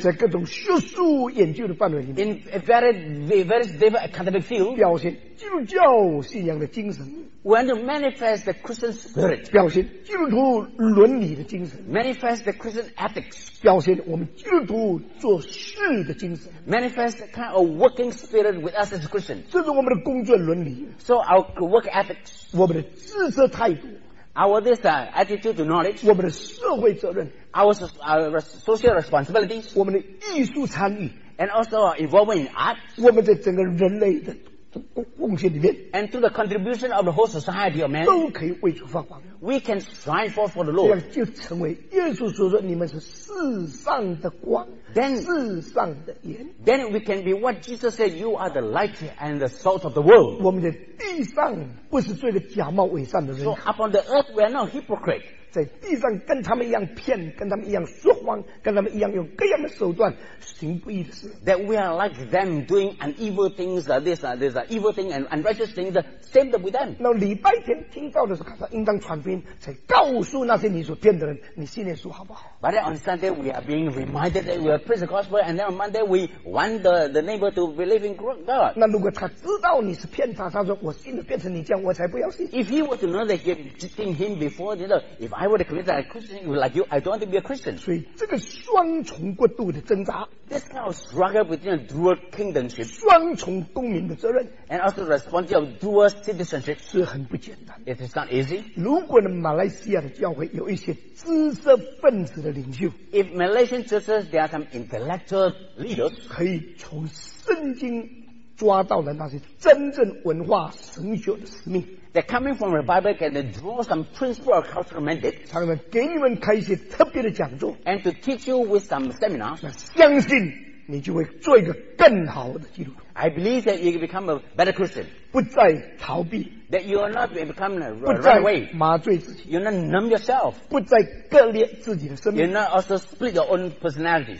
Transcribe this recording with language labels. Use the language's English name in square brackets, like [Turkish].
[Chinese] 在各种学术研究的范围里面 [English] in various different academic fields [Chinese] 表现基督教信仰的精神 [English] when to manifest the Christian spirit [Chinese] 表现基督徒伦理的精神 [English] manifest the Christian ethics [Chinese] 表现我们基督徒做事的精神 [English] manifest the kind of working spirit with us as Christians [Chinese] 这是我们的工作伦理 [English] so our work ethics [Chinese] 我们的自责态度 [English] our this attitude to knowledge [Chinese] 我们的社会责任 [English] our social responsibilities [Chinese] 我们的艺术参与 [English] and also our involvement in art [Chinese] 我们的整个人类的贡献里面 [English] and through the contribution of the whole society of man [Chinese] 都可以为主发光 [English] we can strive for the Lord [Chinese] 这样就成为耶稣所说你们是世上的光 [English] then, [Chinese] 世上的盐 [English] then we can be what Jesus said you are the light and the salt of the world [Chinese] 我们在地上不是做一个假冒伪善的人 [English] so upon the earth we are not hypocrites [Chinese] 在地上跟他们一样骗，跟他们一样说谎，跟他们一样用各样的手段行不义的事。 [English] That we are like them doing an evil things, this, this evil thing and unrighteous thing, the same that we done. [Chinese] 那礼拜天听到的时候，他应当传福音，才告诉那些你所骗的人，你信耶稣好不好 [English] ？But then on Sunday we are being reminded that we preach the gospel, and then on Monday we want the neighbor to believe in God. [Chinese] 那如果他知道你是骗他，他说我信的变成你这样，我才不要信。 [English] If he were to know that he had seen him before, you know, if I were to commit that Christian like you, I don't want to be a Christian. [Chinese] 所以这个双重过度的挣扎 [English] ，this kind of struggle between a dual kingdomship, [Chinese] 双重公民的责任 [English] ，and also responsibility of dual citizenship [Chinese] 是很不简单。 [English] It is not easy. [Chinese] 如果呢，马来西亚的教会有一些知识分子的领袖 [English] ，if Malaysian churches there are some intellectual leaders, [Chinese] 可以从圣经。抓到了那些真正文化神学的使命。 [English] They're coming from the Bible and they draw some principle or cultural mandate. [Chinese] 他们给你们开一些特别的讲座。 [English] And to teach you with some seminars. [Chinese] 相信你就会做一个更好的基督徒。 [English] I believe that you become a better Christian. [Chinese] 不再逃避。 [English] That you will not become a runaway. [Chinese] 不再麻醉自己。 [English] You will not numb yourself. [Chinese] 不再割裂自己的生命。 [English] You will not also split your own personality.